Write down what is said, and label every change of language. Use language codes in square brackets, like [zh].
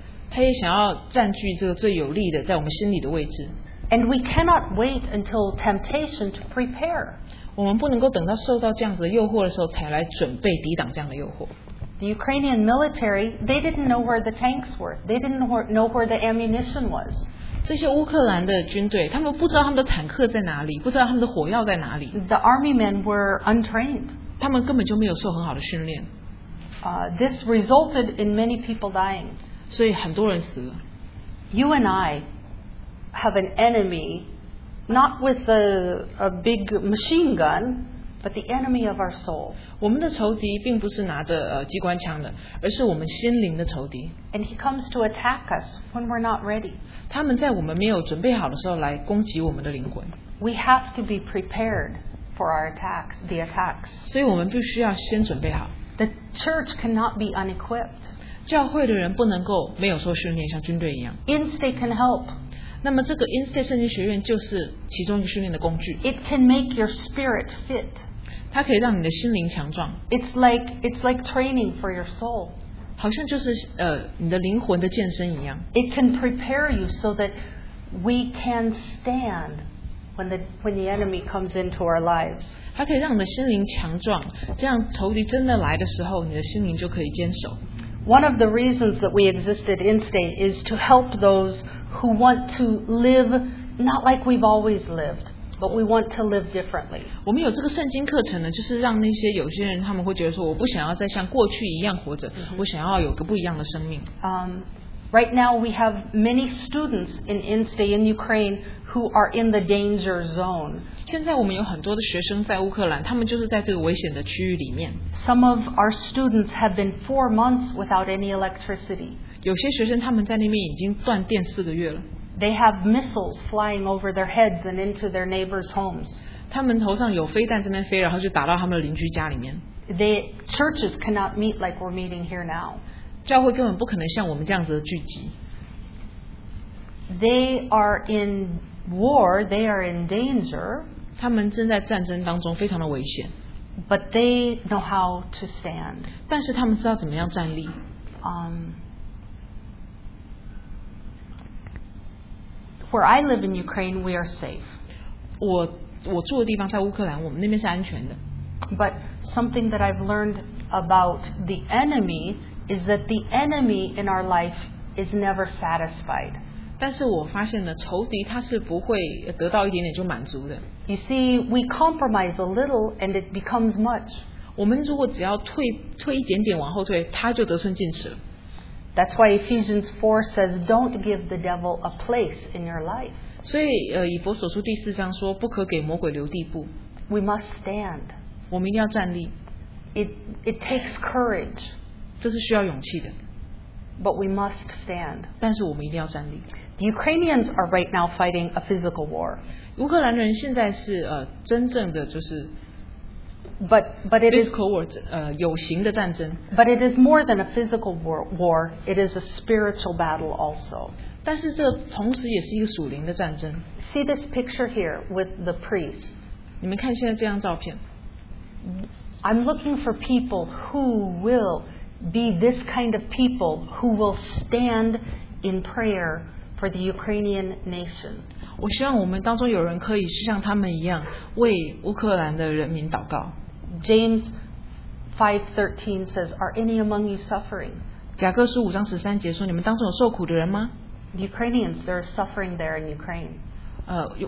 [zh] 他也想要占据这个最有利的在我们心里的位置。 [en] And we cannot wait until temptation to prepare. [zh] 我们不能够等到受到这样子的诱惑的时候才来准备抵挡这样的诱惑。 [en] The Ukrainian military, they didn't know where the tanks were. They didn't know where the ammunition was. [zh] 这些乌克兰的军队，他们不知道他们的坦克在哪里，不知道他们的火药在哪里。 [en] The army men were untrained. [zh] 他们根本就没有受很好的训练。 [en] This resulted in many people dying. [zh] 所以很多人死了。 [en] You and I have an enemy, not with a big machine gun, but the enemy of our soul. [zh] 我们的仇敌并不是拿着机关枪的，而是我们心灵的仇敌。 [en] And he comes to attack us when we're not ready. [zh] 他们在我们没有准备好的时候来攻击我们的灵魂。 [en] We have to be prepared for our attacks, the attacks. [zh] 所以我们必须要先准备好。 [en] The church cannot be unequipped. [zh] 教会的人不能够没有受训练，像军队一样。 [en] In-state can help. [zh] 那么这个 In-state 圣经学院就是其中一个训练的工具。 [en] It can make your spirit fit. [zh] 它可以让你的心灵强壮。 [en] It's like training for your soul. [zh] 好像就是你的灵魂的健身一样。 [en] It can prepare you so that we can stand when the enemy comes into our lives. [zh] 它可以让你的心灵强壮，这样仇敌真的来的时候，你的心灵就可以坚守。 [en] One of the reasons that we existed in state is to help those who want to live not like we've always lived. But we want to live differently. [zh] 我们有这个圣经课程呢，就是让那些有些人他们会觉得说，我不想要再像过去一样活着，我想要有个不一样的生命。 [en] Right now we have many students in in-state in Ukraine who are in the danger zone. [zh] 现在我们有很多的学生在乌克兰，他们就是在这个危险的区域里面。 [en] Some of our students have been 4 months without any electricity. [zh] 有些学生他们在那边已经断电四个月了。 [en] They have missiles flying over their heads and into their neighbors' homes. [zh] 他们头上有飞弹这边飞，然后就打到他们的邻居家里面。 [en] The churches cannot meet like we're meeting here now. [zh] 教会根本不可能像我们这样子的聚集。 [en] They are in war. They are in danger. [zh] 他们正在战争当中，非常的危险。 [en] But they know how to stand. [zh] 但是他们知道怎么样站立。 [en] Where I live in Ukraine, we are safe. [zh] 我住的地方在乌克兰，我们那边是安全的。 [en] But something that I've learned about the enemy is that the enemy in our life is never satisfied. [zh] 但是我发现了仇敌他是不会得到一点点就满足的。 [en] You see, we compromise a little and it becomes much. [zh] 我们如果只要退一点点往后退，他就得寸进尺。 [en] That's why Ephesians 4 says, don't give the devil a place in your life. [zh] 所以以弗所书第四章说不可给魔鬼留地步。 [en] We must stand. [zh] 我们一定要站立。 [en] It takes courage. [zh] 这是需要勇气的。 [en] But we must stand. [zh] 但是我们一定要站立。 [en] The Ukrainians are right now fighting a physical war. [zh] 乌克兰人现在是真正的就是 [en] But it is [zh] 有形的战争。 [en] But it is more than a physical war. It is a spiritual battle also. [zh] 但是这同时也是一个属灵的战争。 [en] See this picture here with the priest. [zh] 你们看现在这张照片。 [en] I'm looking for people who will be this kind of people who will stand in prayer for the Ukrainian nation. [zh] 我希望我们当中有人可以是像他们一样为乌克兰的人民祷告。 [en] James 5:13 says, "Are any among you suffering?" [zh] 雅各书五章十三节说，你们当中有受苦的人吗？ [en] Ukrainians, there is suffering there in Ukraine.